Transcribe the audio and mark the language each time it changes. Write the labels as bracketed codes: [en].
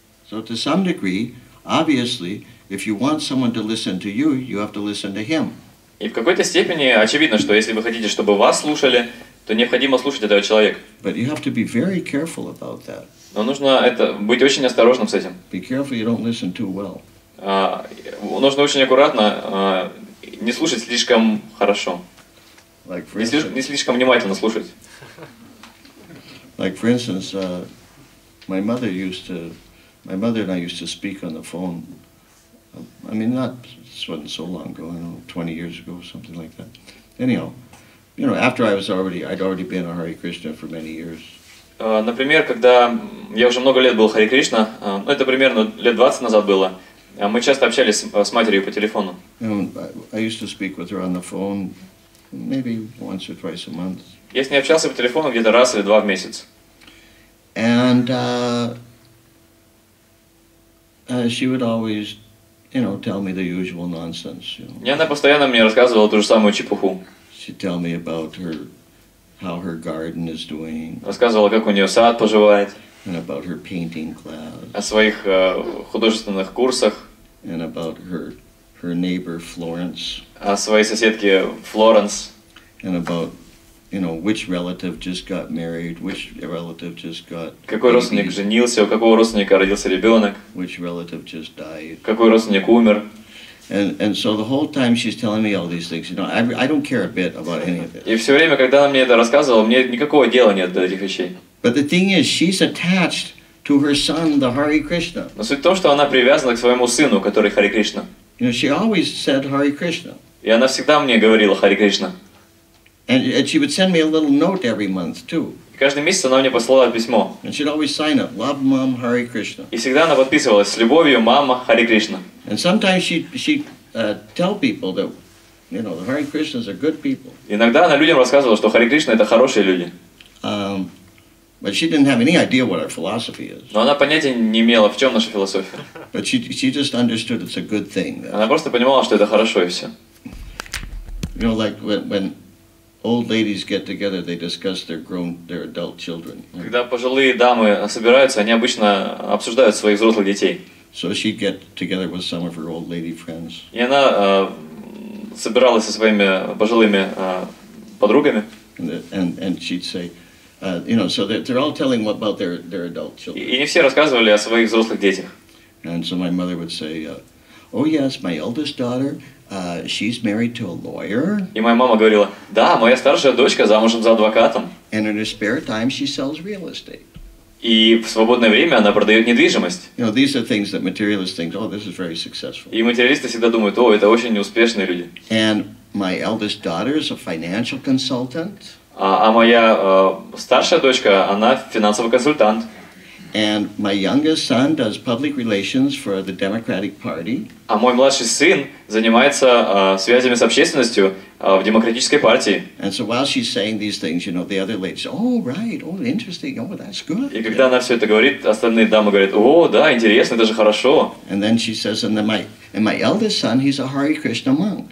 [en] So to some degree, obviously, if you want someone to listen to you, you have to listen to him. [ru] И в какой-то степени очевидно, что если вы хотите, чтобы вас слушали, то необходимо слушать этого человека. [en] But you have to be very careful about that. [ru] Но нужно быть очень осторожным с этим. [en] Be careful you don't listen too well. [ru] Нужно очень аккуратно не слушать слишком хорошо. [en] Like for [ru] не слишком внимательно слушать. [en] Like for instance, my mother and I used to speak on the phone. I mean, not, this wasn't so long ago, I don't know, 20 years ago, something like that. Anyhow, you know, after I'd already been a Hare Krishna for many years. [ru] Например, когда я уже много лет был Hare Krishna, ну, это примерно лет 20 назад было, мы часто общались с матерью по телефону. [en] I used to speak with her on the phone maybe once or twice a month. [ru] Я с ней общался по телефону где-то раз или два в месяц. [en] And she would always, you know, tell me the usual nonsense, you know. [ru] И она постоянно мне рассказывала ту же самую чепуху. [en] She'd tell me about her, how her garden is doing. [ru] Рассказывала, как у нее сад поживает. [en] And about her painting class. [ru] О своих художественных курсах. [en] And about her neighbor Florence. [ru] О своей соседке Флоренс. [en] And about, you know, which relative just got married, which relative just got. [ru] Какой родственник женился, у какого родственника родился ребенок. [en] Which relative just died. [ru] Какой родственник умер. [en] And so the whole time she's telling me all these things, you know, I don't care a bit about any of it. [ru] И все время, когда она мне это рассказывала, мне никакого дела нет до этих вещей. [en] But the thing is, she's attached to her son, the Hare Krishna. [ru] Но суть в том, что она привязана к своему сыну, который Hare Krishna. [en] You know, she always said Hare Krishna. [ru] И она всегда мне говорила Hare Krishna. [en] And she would send me a little note every month too. [ru] И каждый месяц она мне посылала письмо. [en] And she'd always sign it, Love, Mom, Hare Krishna. [ru] И всегда она подписывалась, с любовью, мама, Hare Krishna. [en] And sometimes she'd tell people that, you know, the Hare Krishnas are good people. [ru] Иногда она людям рассказывала, что Hare Krishna это хорошие люди. [en] But she didn't have any idea what our philosophy is. [ru] Но она понятия не имела, в чем наша философия. [en] But she just understood it's a good thing. [ru] Она просто понимала, что это хорошо и все. [en] You know, like when old ladies get together, they discuss their adult children. [ru] Когда пожилые дамы собираются, они обычно обсуждают своих взрослых детей. [en] So she'd get together with some of her old lady friends. [ru] И она собиралась со своими пожилыми подругами. [en] And she'd say, you know, so they're all telling about their adult children. [ru] И не все рассказывали о своих взрослых детях. [en] And so my mother would say, oh yes, my eldest daughter, she's married to a lawyer. [ru] И моя мама говорила, да, моя старшая дочка замужем за адвокатом. [en] And in her spare time, she sells real estate. [ru] И в свободное время она продает недвижимость. [en] You know, these are things that materialists think, oh, this is very successful. [ru] И материалисты всегда думают, о, это очень неуспешные люди. [en] And my eldest daughter is a financial consultant. [ru] А моя старшая дочка, она финансовый консультант. [en] And my youngest son does public relations for the Democratic Party. [ru] А мой младший сын занимается связями с общественностью в Демократической партии. [en] And so while she's saying these things, you know, the other ladies, oh right, oh interesting, oh that's good. [ru] И когда она все это говорит, остальные дамы говорят, о, да, интересно, это же хорошо. [en] And then she says, and my eldest son, he's a Hare Krishna monk.